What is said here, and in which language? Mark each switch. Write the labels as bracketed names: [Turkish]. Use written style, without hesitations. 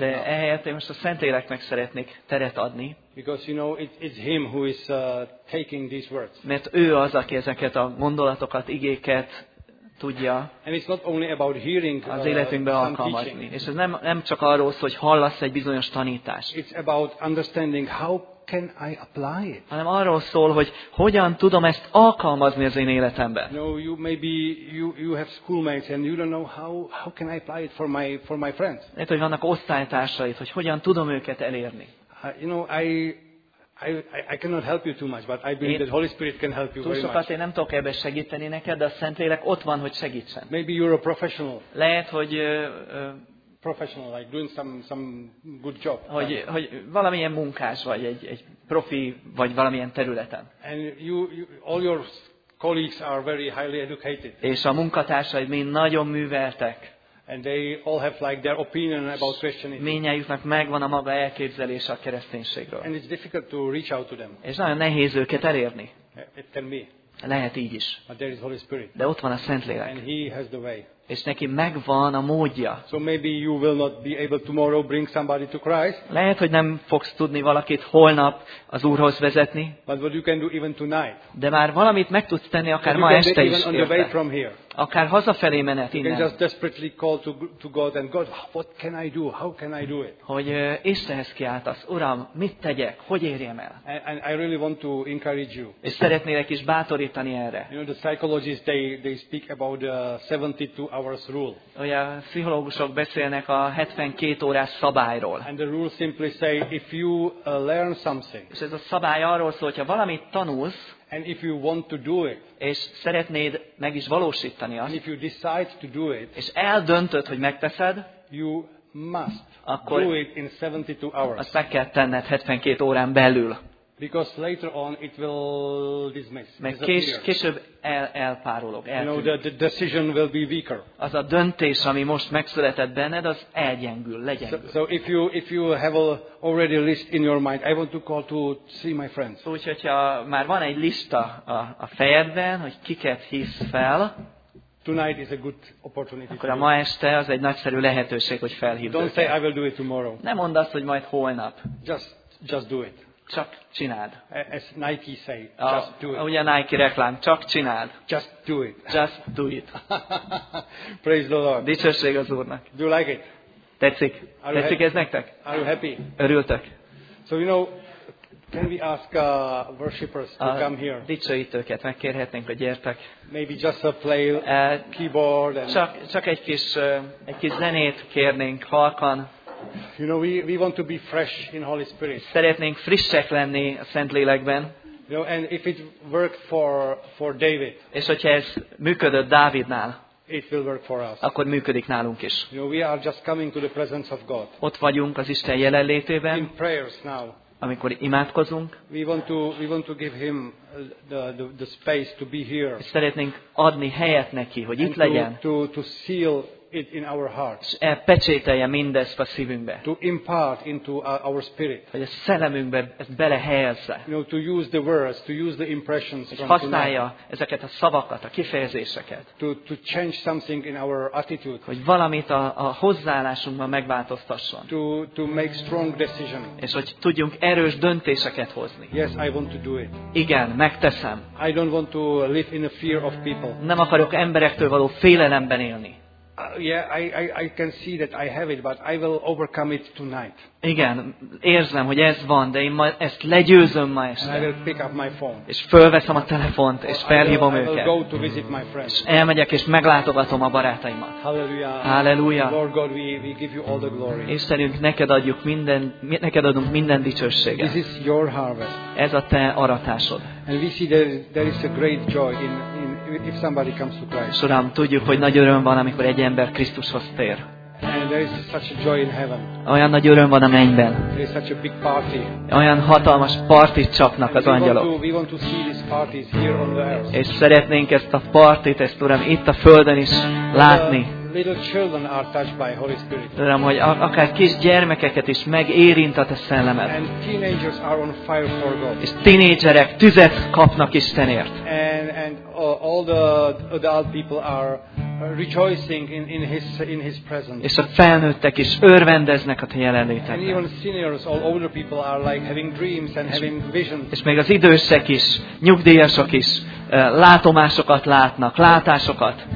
[Hungarian] De ehelyett most a Szentléleknek szeretnék teret adni. [English] Because you know it's him who is taking these words. [Hungarian] Mert ő az, aki ezeket a gondolatokat, igéket tudja. [English] And it's not only about hearing [Hungarian] az életünkbe alkalmazni. És ez nem csak arról szól, hogy hallasz egy bizonyos tanítást. [English] It's about understanding how can I apply it. [Hungarian] Hanem arról szól, hogy hogyan tudom ezt alkalmazni az én életembe. [English] No, you maybe you have schoolmates and you don't know how can I apply it for my friends. [Hungarian] Lehet, hogy vannak osztálytársaid, hogy hogyan tudom őket elérni. [English] You know, I cannot help you too much, but I believe that Holy Spirit can help you very much. [Hungarian] Túl sokat én nem tudok ebben segíteni neked, de a Szentlélek ott van, hogy segítsen. [English] Maybe you're a professional. [Hungarian] Lehet, hogy [English] professional, like doing some good job. [Hungarian] Hogy valamilyen munkás vagy egy profi vagy valamilyen területen. [English] And you all your colleagues are very highly educated. [Hungarian] És a munkatársaid mind nagyon műveltek. [English] And they all have like their opinion about Christianity. [Hungarian] Mindnyájuknak megvan a maga elképzelése a kereszténységről. [English] And it's difficult to reach out to them. [Hungarian] És nagyon nehéz őket elérni. [English] It can be. [Hungarian] Lehet így is. [English] But there is Holy Spirit. [Hungarian] De ott van a Szentlélek. [English] And he has the way. [Hungarian] És neki megvan a módja. [English] So maybe you will not be able tomorrow bring somebody to Christ. [Hungarian] Lehet, hogy nem fogsz tudni valakit holnap az Úrhoz vezetni. [English] But what you can do even tonight. [Hungarian] De már valamit meg tudsz tenni akár ma este is. [English] On the way from here. [Hungarian] Akár hazafelé menet innen. [English] You can just desperately call to God and God, what can I do? How can I do it? [Hungarian] Hogy Istenhez kiáltasz, Uram, mit tegyek, hogy érjem el? [English] And I really want to encourage you. [Hungarian] És szeretnélek is bátorítani erre. [English] You know, the psychologists they speak about the 72 hours rule. [Hungarian] Ugye, a pszichológusok beszélnek a 72 órás szabályról. [English] And the rule simply say if you learn something. [Hungarian] És ez a szabály arról szól, hogyha valamit tanulsz. [English] And if you want to do it, [Hungarian] és szeretnéd meg is valósítani azt, [English] and if you decide to do it, [Hungarian] és eldöntöd, hogy megteszed, [English] you must [Hungarian] akkor [English] do it in 72 hours. [Hungarian] Azt meg kell tenned 72 órán belül. [English] Because later on it will dismiss. [Hungarian] Mert később elpárolog, eltűnik. [English] You know, the decision will be weaker. [Hungarian] Az a döntés, ami most megszületett benned, az elgyengül, legyengül. [English] So if you have already list in your mind, I want to call to see my friends. [Hungarian] Úgyhogy már van egy lista a fejedben, hogy kiket hívsz fel. [English] Tonight is a good opportunity. [Hungarian] Akkor a ma este az egy nagyszerű lehetőség, hogy felhívd. [English] Don't say I will do it tomorrow. [Hungarian] Nem mondd azt, hogy majd holnap. [English] Just do it. [Hungarian] Csak csináld. [English] As Nike say, just do it. [Hungarian] Ugye a Nike reklám, csak csináld. [English] Just do it. Just do it. Praise the Lord. [Hungarian] Dicsőség az Úrnak. [English] Do you like it? [Hungarian] Tetszik. Tetszik ez nektek? [English] Are you happy? [Hungarian] Örültök. [English] So you know, can we ask worshippers to come here? [Hungarian] Dicsőítőket megkérhetnénk, hogy gyertek. [English] Maybe just a play keyboard. And [Hungarian] csak egy kis zenét kérnénk halkan. [English] You know, we want to be fresh in Holy Spirit. [Hungarian] Szeretnénk frissek lenni a Szentlélekben. [English] You know, and if it worked for David. [Hungarian] És hogyha ez működött Dávidnál. [English] It will work for us. [Hungarian] Akkor működik nálunk is. [English] You know, we are just coming to the presence of God. [Hungarian] Ott vagyunk az Isten jelenlétében. [English] In prayers now. [Hungarian] Amikor imádkozunk. [English] We want to give him the space to be here. [Hungarian] És szeretnénk adni helyet neki, hogy itt legyen. [English] To seal it in our hearts. [Hungarian] Elpecsételje mindezt a szívünkbe. [English] To impart into our spirit. [Hungarian] Hogy a szellemünkbe ezt belehelyezze. [English] You know, to use the words, to use the impressions from tonight. [Hungarian] Használja ezeket a szavakat, a kifejezéseket. [English] To change something in our attitude. [Hungarian] Hogy valamit a hozzáállásunkban megváltoztasson. [English] To make strong decisions. [Hungarian] És hogy tudjunk erős döntéseket hozni. [English] Yes, I want to do it. [Hungarian] Igen, megteszem. [English] I don't want to live in a fear of people. [Hungarian] Nem akarok emberektől való félelemben élni. [English] I can see that I have it, but I will overcome it tonight. [Hungarian] Igen, érzem, hogy ez van, de én ma ezt legyőzöm ma este. [English] I will pick up my phone. [Hungarian] És fölveszem a telefont, és felhívom őket. [English] I will go to visit my friends. [Hungarian] És elmegyek, és meglátogatom a barátaimat. Halleluja. [English] Lord God, we give you all the glory. [Hungarian] Istenünk, neked adunk minden dicsőséget. [English] This is your harvest. [Hungarian] Ez a te aratásod. [English] And we see there is a great joy in if somebody comes to Christ. [Hungarian] Uram, tudjuk, hogy nagy öröm van, amikor egy ember Krisztushoz tér. [English] And there is such a joy in heaven. [Hungarian] Olyan nagy öröm van a mennyben. [English] There is such a big party. [Hungarian] Olyan hatalmas partit csapnak az angyalok. [English] We want to see these parties here on the earth. [Hungarian] És szeretnénk ezt a partit, ezt, Uram, itt a földön is látni. [English] little children are touched by Holy Spirit. [Hungarian] Tudom, hogy akár kis gyermekeket is megérint a te szellemed. [English] And teenagers are on fire for God. [Hungarian] És tínédzserek tüzet kapnak Istenért. [English] And all the adult people are rejoicing in his presence. [Hungarian] És a felnőttek is örvendeznek a te jelenlétedben. [English] And even seniors, all older people are like having dreams and having visions. [Hungarian] És még az idősek is, nyugdíjasok is látomásokat látnak, látásokat.